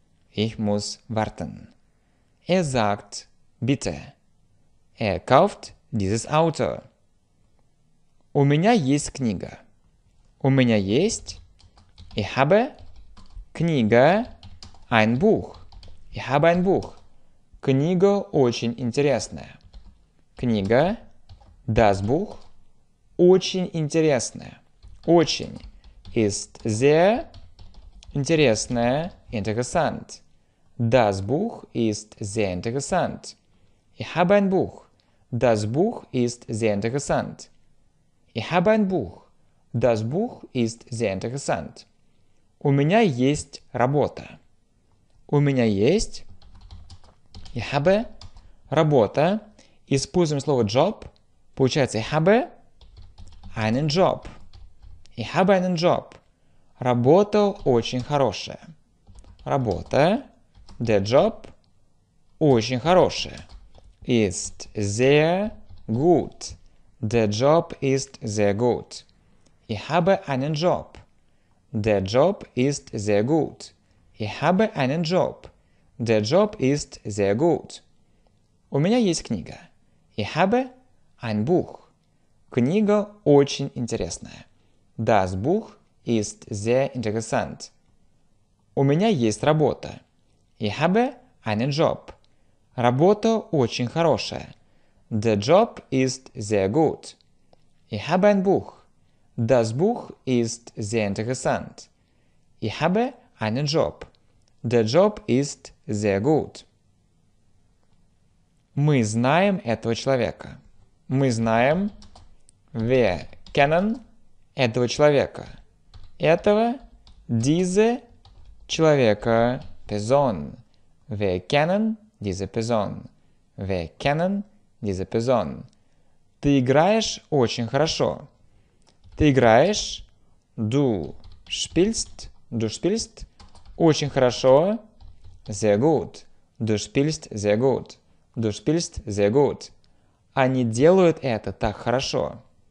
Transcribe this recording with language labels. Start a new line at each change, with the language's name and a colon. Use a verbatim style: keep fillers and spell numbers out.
German: Ich muss warten. Er sagt, bitte. Er kauft dieses Auto.
Russian: У меня есть книга. У меня есть.
German: Ich habe
Russian: книга,
German: ein Buch. Ich habe ein Buch.
Russian: Книга очень интересная. Книга,
German: das Buch,
Russian: очень интересная. Очень
German: ist sehr
Russian: интересная,
German: interessant. Das Buch ist sehr interessant. Ich habe ein Buch. Das Buch ist sehr interessant. Ich habe ein Buch. Das Buch ist sehr interessant.
Russian: У меня есть работа. У меня есть.
German: Ich habe
Russian: работа. Используем слово job. Получается,
German: ich habe einen Job. Ich habe einen Job.
Russian: Работа очень хорошая. Работа,
German: der Job,
Russian: очень хорошая.
German: Ist sehr gut. Der Job ist sehr gut. Ich habe einen Job. Der Job ist sehr gut. Ich habe einen Job. Der Job ist sehr gut.
Russian: У меня есть книга.
German: Ich habe ein Buch.
Russian: Книга очень интересная.
German: Das Buch ist sehr interessant.
Russian: У меня есть работа.
German: Ich habe einen Job.
Russian: Работа очень хорошая.
German: Der Job ist sehr gut. Ich habe ein Buch. Das Buch ist sehr interessant. Ich habe einen Job. Der Job ist sehr gut.
Russian: Мы знаем этого человека. Мы знаем.
German: Wir kennen
Russian: этого человека. Этого,
German: diese,
Russian: человека,
German: Person. Wir kennen diese Person. Wir kennen diese Person.
Russian: Ты играешь очень хорошо. Ты играешь.
German: Du spielst. Du spielst.
Russian: Очень хорошо.
German: Sehr gut. Du spielst sehr gut. Du spielst sehr gut.
Russian: Они делают это так хорошо.